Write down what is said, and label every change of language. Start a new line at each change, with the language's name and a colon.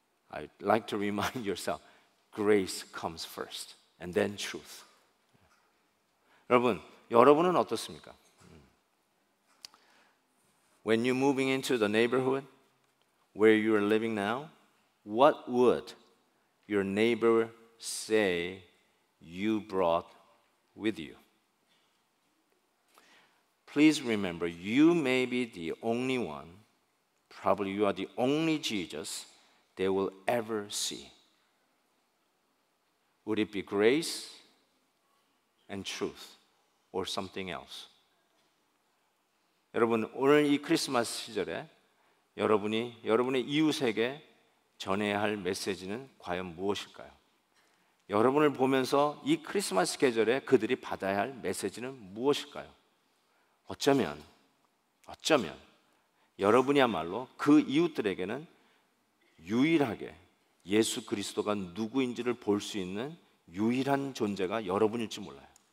English: I'd like to remind yourself, grace comes first, and then truth.
Korean: 여러분, 여러분은 어떻습니까?
English: When you're moving into the neighborhood where you are living now, what would your neighbor say you brought with you? Please remember, you may be the only one, probably you are the only Jesus they will ever see. Would it be grace and truth or something else?
Korean: 여러분, 오늘 이 크리스마스 시절에 여러분이 여러분의 이웃에게 전해야 할 메시지는 과연 무엇일까요? 여러분을 보면서 이 크리스마스 계절에 그들이 받아야 할 메시지는 무엇일까요? 어쩌면 여러분이야말로 그 이웃들에게는 유일하게 예수 그리스도가 누구인지를 볼 수 있는 유일한 존재가 여러분일지 몰라요.